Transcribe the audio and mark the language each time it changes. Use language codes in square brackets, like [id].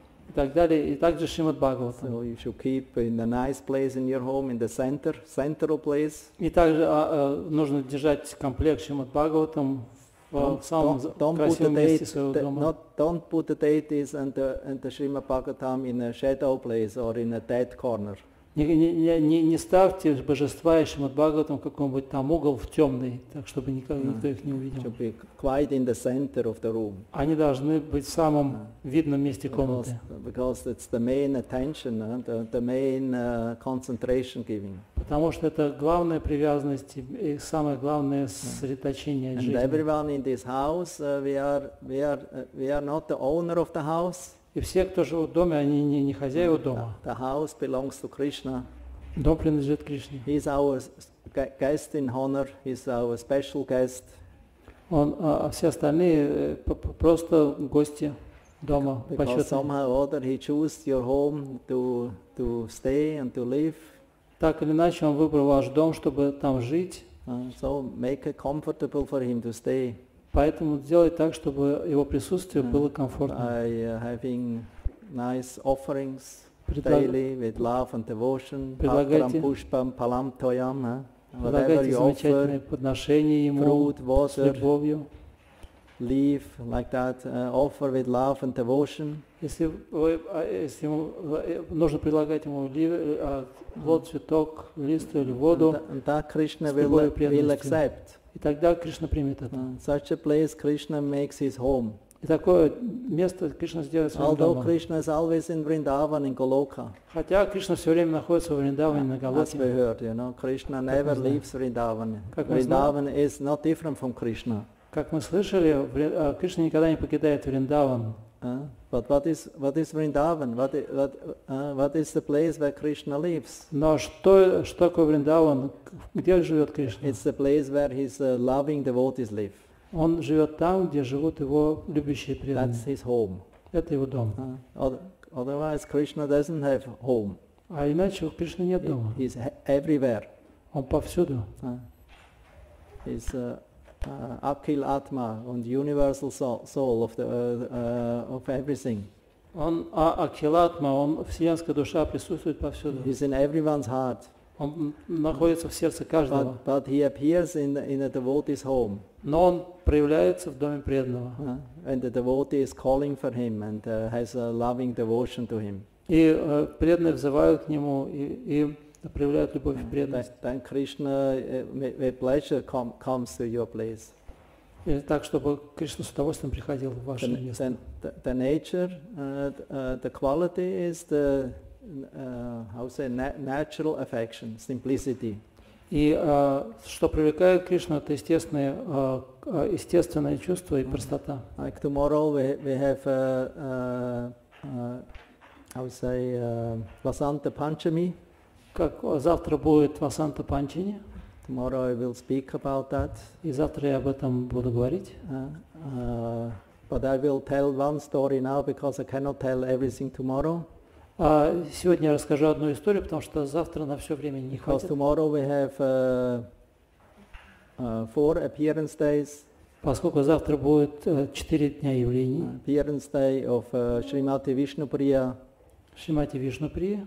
[ru] И так далее, и также Шримад Бхагаватам. [en] So you should keep in a nice place in your home, in the center, central place. [ru] И также нужно держать комплект Шримад Бхагаватам в самом красивом месте своего дома. [en] Don't put the deities and the Шримад Бхагаватам in a shadow place or in a dead corner. [ru] Не ставьте божества и Шримад Бхагаватам в каком-нибудь там угол в темный, так чтобы никто их не увидел. [en] Should be quite in the center of the room. [ru] Они должны быть в самом видном месте комнаты. [en] Because it's the main attention, the main concentration giving. [ru] Потому что это главная привязанность и самое главное сосредоточение жизни. [en] And everyone in this house, we are not the owner of the house. [ru] И все, кто живут в доме, они не хозяева дома. [en] The house belongs to Krishna. [ru] Дом принадлежит Кришне. [en] He is our guest in honor. He is our special guest. [ru] Он, а все остальные просто гости дома. [en] Because somehow or other he chose your home to stay and to live. [ru] Так или иначе он выбрал ваш дом, чтобы там жить. [en] So make it comfortable for him to stay. [ru] Поэтому сделай так, чтобы его присутствие было комфортным. [en] By having nice offerings daily with love and devotion, [ru] предлагайте, пушпам, палам, тоям, предлагайте замечательные подношения ему, [en] fruit, water, [ru] с любовью. [en] Leaf like that, offer with love and devotion. [ru] Если ему нужно предлагать ему плод, цветок, лист или воду, [en] Krishna will accept. [ru] И тогда Кришна примет это. [en] Such a place Krishna makes his home. [ru] И такое место Кришна сделает своим [en] Although [ru] домом. [en] Krishna is always in Vrindavan in Goloka. [ru] Хотя Кришна все время находится в Вриндаване на Голоке. [en] As we heard, you know, Krishna never leaves Vrindavan. Vrindavan is not different from Krishna. [ru] Как мы слышали, Кришна никогда не покидает Вриндаван. [en] But what is Vrindavan? What is the place where Krishna lives? [ru] Но что такое Вриндаван? Где живет Кришна? [en] It's the place where his loving devotees live. [ru] Он живет там, где живут его любящие преданные. [en] That's his home. [ru] Это его дом. [en] Otherwise, Krishna doesn't have home. [ru] А иначе у Кришны нет дома. [en] He's everywhere. [ru] Он повсюду. [en] He's Akhil Atma and universal soul of the of everything. [ru] Он Akhil Atma, он вселенская душа присутствует повсюду. [en] He's in everyone's heart. [ru] Он находится в сердце каждого. [en] But he appears in a devotee's home. [ru] Но он проявляется в доме преданного. [en] And the devotee is calling for him and has a loving devotion to him. [ru] И преданные взывают к нему и проявляют любовь и преданность. [en] Then Krishna with pleasure comes to your place. [ru] Или так, чтобы Кришна с удовольствием приходил в ваше место. [en] Then the nature, the quality is the natural affection, simplicity. [ru] И что привлекает Кришну, это естественное чувство и простота. [en] Like tomorrow we have Vasanta Panchami. [ru] Как завтра будет Васанта Панчини? [en] Tomorrow I will speak about that. [ru] И завтра я об этом буду говорить. [en] But I will tell one story now because I cannot tell everything tomorrow. [ru] Сегодня я расскажу одну историю, потому что завтра на все время не хватит. [en] Because tomorrow we have four appearance days. [ru] Поскольку завтра будет четыре дня явлений. [en] Appearance day of Shrimati Vishnupriya. [ru] Шримати Вишнуприя,